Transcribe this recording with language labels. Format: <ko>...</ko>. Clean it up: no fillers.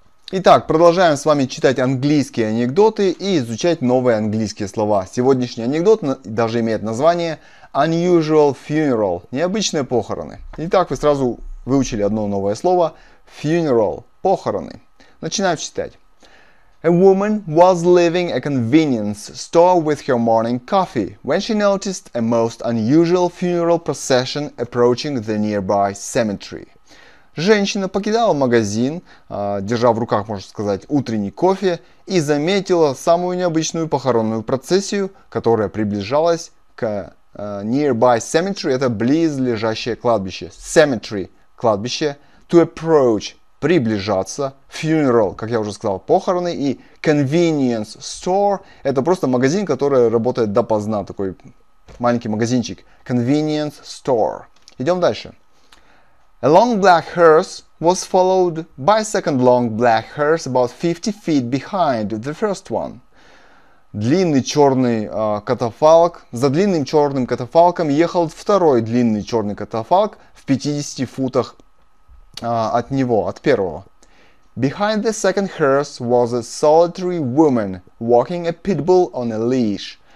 <ru>Итак, продолжаем с вами читать английские анекдоты и изучать новые английские слова. Сегодняшний анекдот даже имеет название Unusual Funeral – необычные похороны. Итак, вы сразу выучили одно новое слово – funeral – похороны. Начинаю читать.</ru> <en>A woman was leaving a convenience store with her morning coffee when she noticed a most unusual funeral procession approaching the nearby cemetery.</en> <ru>Женщина покидала магазин, держа в руках, можно сказать, утренний кофе, и заметила самую необычную похоронную процессию, которая приближалась к nearby cemetery, это близлежащее кладбище, cemetery, кладбище, to approach, приближаться, funeral, как я уже сказал, похороны, и convenience store, это просто магазин, который работает допоздна, такой маленький магазинчик, convenience store. Идем дальше.</ru> <en>A long black hearse was followed by a second long black hearse about 50 feet behind the first one.</en> <ru>Длинный черный катафалк. За длинным черным катафалком ехал второй длинный черный катафалк в 50 футах от него, от первого.</ru> <en>Behind the second hearse was a solitary woman walking a pit bull on a leash.</en>